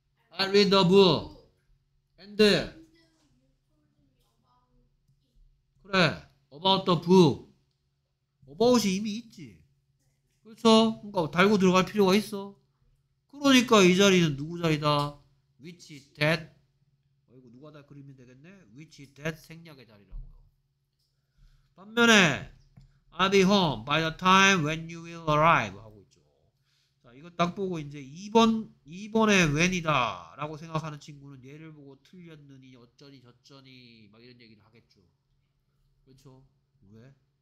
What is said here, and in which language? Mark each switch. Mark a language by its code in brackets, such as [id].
[en] I read the book. And [ko] 그래. [en] About the book. About이 [ko] 이미 있지. 그렇죠? 그러니까 달고 들어갈 필요가 있어. 그러니까 이 자리는 누구 자리다? [en] Which is that? [ko] 어이구, 누가 다 그리면 되겠네? [en] Which is that [ko] 생략의 자리라고요. 반면에 [en] I'll be home by the time when you will arrive. [ko] 이거 딱 보고 이제 2번에 when이다 라고 생각하는 친구는 얘를 보고 틀렸느니 어쩌니 저쩌니 막 이런 얘기를 하겠죠. 그렇죠? 왜?